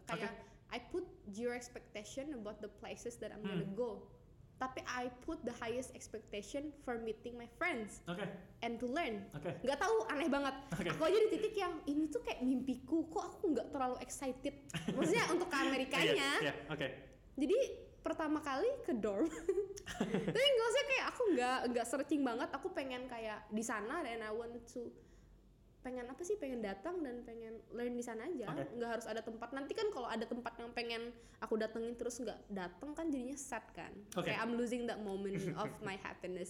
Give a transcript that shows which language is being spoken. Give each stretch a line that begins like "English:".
English: Kayak, I put zero expectation about the places that I'm gonna go. Tapi I put the highest expectation for meeting my friends. And to learn.
Indonesian: Gak tahu, aneh banget. Aku aja di titik yang, ini tuh kayak mimpiku, kok aku gak terlalu excited? Maksudnya untuk ke Amerikanya. Jadi, pertama kali ke dorm. Tapi enggak usah kayak aku enggak searching banget, aku pengen kayak di sana
English: and I want to
Indonesian: pengen apa sih? Pengen datang dan pengen learn di sana aja. Enggak harus ada tempat. Nanti kan kalau ada tempat yang pengen aku datengin terus enggak datang kan jadinya sad kan.
English: Kayak I'm losing that moment of my happiness.